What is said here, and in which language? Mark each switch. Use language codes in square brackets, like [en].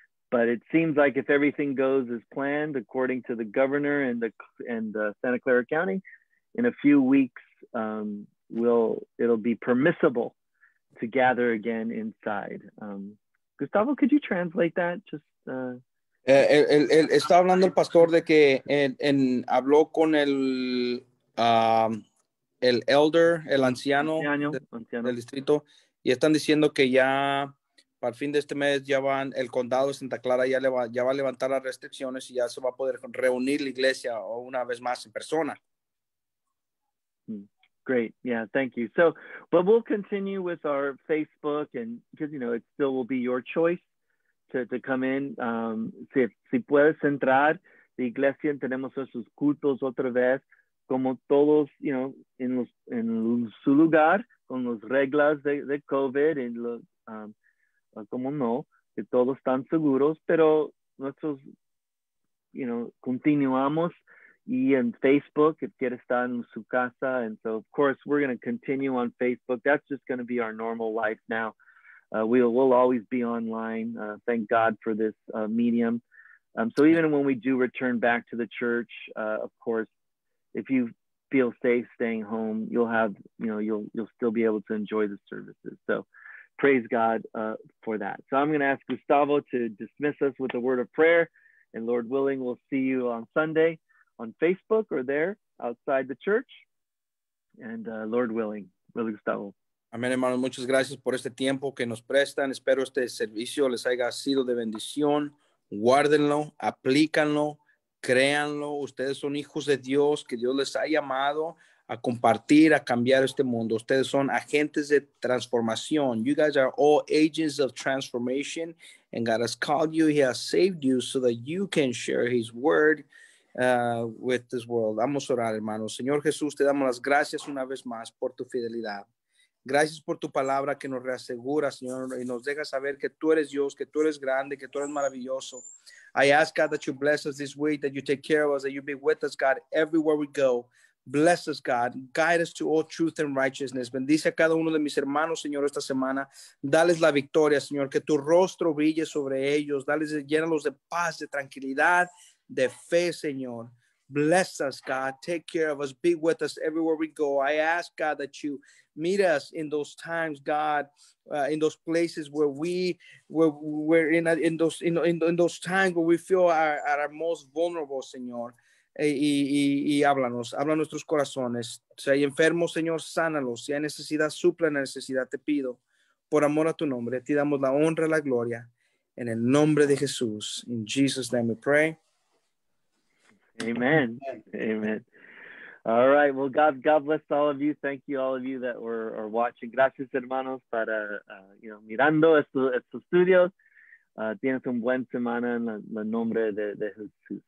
[en] But it seems like if everything goes as planned, according to the governor and Santa Clara County, in a few weeks, it'll be permissible to gather again inside. Gustavo, could you translate that? [es] Está hablando el pastor de que en habló con el elder, el anciano del distrito, y están diciendo que ya para el fin de este mes ya van, el condado de Santa Clara ya va a levantar las restricciones y ya se va a poder reunir la iglesia una vez más en persona. [en] Great, yeah, thank you. So, but we'll continue with our Facebook, and because, you know, it still will be your choice to come in. [es] Si puedes entrar, la iglesia tenemos esos cultos otra vez, como todos, you know, en su lugar, con las reglas de COVID, y como no, que todos están seguros, pero nosotros, you know, continuamos, y en Facebook, if quiere estar en su casa, [en] and so, of course, we're going to continue on Facebook. That's just going to be our normal life now. We'll always be online. Thank God for this medium. So even when we do return back to the church, of course, if you feel safe staying home, you'll still be able to enjoy the services. So praise God for that. So I'm going to ask Gustavo to dismiss us with a word of prayer, and Lord willing, we'll see you on Sunday on Facebook or there outside the church. And Lord willing, brother Gustavo. [es] Amén, hermanos. Muchas gracias por este tiempo que nos prestan. Espero este servicio les haya sido de bendición. Guárdenlo, aplícanlo, créanlo. Ustedes son hijos de Dios, que Dios les ha llamado a compartir, a cambiar este mundo. Ustedes son agentes de transformación. [en] You guys are all agents of transformation. And God has called you, he has saved you so that you can share his word with this world. [es] Vamos a orar, hermanos. Señor Jesús, te damos las gracias una vez más por tu fidelidad. Gracias por tu palabra que nos reasegura, Señor, y nos deja saber que tú eres Dios, que tú eres grande, que tú eres maravilloso. [en] I ask, God, that you bless us this week, that you take care of us, that you be with us, God, everywhere we go. Bless us, God. Guide us to all truth and righteousness. [es] Bendice a cada uno de mis hermanos, Señor, esta semana. Dales la victoria, Señor, que tu rostro brille sobre ellos. Dales, llénalos de paz, de tranquilidad, de fe, Señor. [en] Bless us, God. Take care of us. Be with us everywhere we go. I ask, God, that you meet us in those times, God, in those places where we're in those times where we feel our most vulnerable, Señor. [es] Y háblanos, habla nuestros corazones. Si hay enfermos, Señor, sánalos. Si hay necesidad, supla la necesidad, te pido. Por amor a tu nombre, te damos la honra y la gloria. En el nombre de Jesús. [en] In Jesus' name we pray. Amen. Amen. All right. Well, God bless all of you. Thank you, all of you that are watching. [es] Gracias, hermanos, para, mirando estos estudios. Tienes un buen semana en la nombre de Jesús.